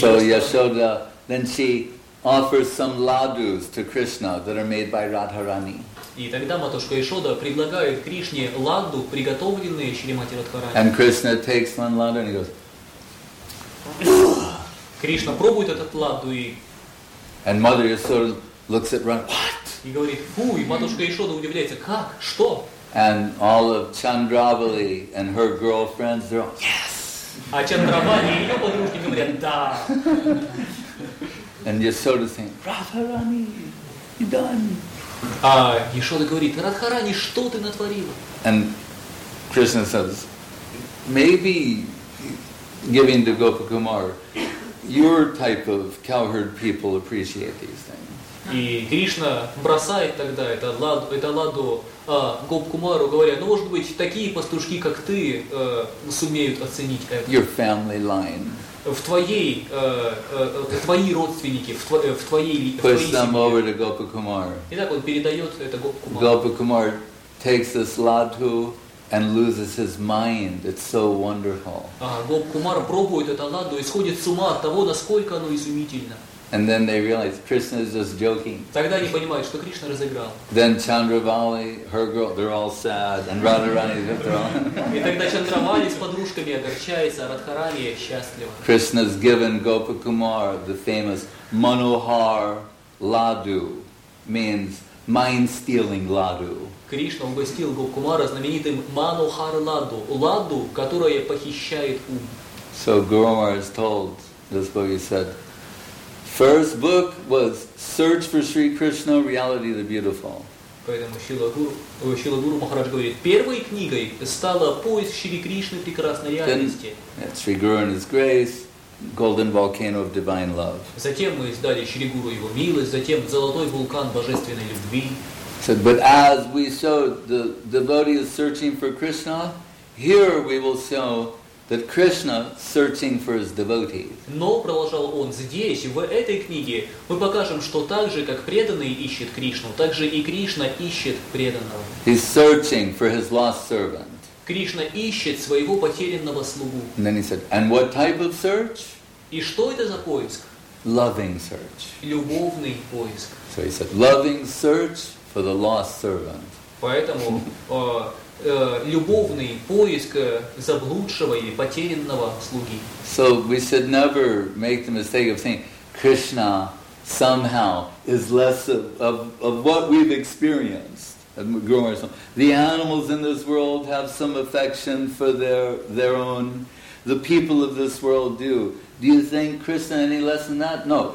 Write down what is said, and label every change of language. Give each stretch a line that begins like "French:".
Russian: стороны.
English: So Yashoda, then she offers some ladus to Krishna that are made by Radharani.
Russian: И тогда матушка Яшода предлагает Кришне ладду, приготовленные Шримати Радхарани.
English: And Krishna takes one ladu and he goes,
Russian: Кришна пробует этот ладду и...
English: And Mother Yashoda looks at Ram, what?
Russian: И говорит, фу, и матушка Яшода удивляется, как, что?
English: And all of Chandravali and her girlfriends, they're all, yes!
Russian: А Чандравали и ее подружки говорят, да!
English: And Yasoda saying, Radharani, Idani.
Russian: А Яшода говорит, Радхарани, что ты натворила?
English: And Krishna says, maybe, giving to Gopakumar, your type of cowherd people appreciate these things.
Russian: И Кришна бросает тогда это ладу Гопакумару, говоря, ну, может быть, такие пастушки, как ты, сумеют оценить это.
English: Your family line.
Russian: В твоей, твои родственники, в твоей семье.
English: Push them over to Gopakumar.
Russian: И так он передает это Гопакумару.
English: Gopakumar takes this ладу and loses his mind. It's so wonderful.
Russian: Гопакумар пробует это ладу и сходит с ума от того, насколько оно изумительно.
English: And then they realize Krishna is just joking.
Russian: Тогда они понимают, что Кришна разыграл.
English: Then Chandravali, her girl, they're all sad, and Radharani, they're all.
Russian: И тогда Чандравали с подружками огорчается, Радхарани счастлива.
English: Krishna's given Gopakumar the famous Manohar Ladu, means mind-stealing ladu.
Russian: Кришна угостил Гопакумара знаменитым Манохар Ладу, ладу, которая похищает ум.
English: So Guru Maharaj is told, this Bhagavad Gita said, first book was Search for Sri Krishna, Reality of the Beautiful.
Russian: Поэтому Шрила Гуру Махарадж говорит, первой книгой стала поиск Шри Кришны прекрасной реальности.
English: Sri Guru and His Grace, Golden Volcano of Divine Love.
Russian: Затем мы издали Шри Гуру Его Милость, затем Золотой Вулкан Божественной Любви.
English: Said, but as we show the devotee is searching for Krishna, here we will show that Krishna searching for his devotees.
Russian: Но продолжал он здесь, в этой книге, мы покажем, что так же, как преданный ищет Кришну, так же и Кришна ищет преданного.
English: He's searching for his lost servant.
Russian: Кришна ищет своего потерянного слугу.
English: And then he said, and what type of search?
Russian: И что это за поиск?
English: Loving search.
Russian: Любовный поиск.
English: So he said, loving search for the lost servant.
Russian: Поэтому любовный поиск заблудшего или потерянного слуги.
English: So we should never make the mistake of saying Krishna somehow is less of what we've experienced. The animals in this world have some affection for their own. The people of this world do. Do you think Krishna any less than that? No.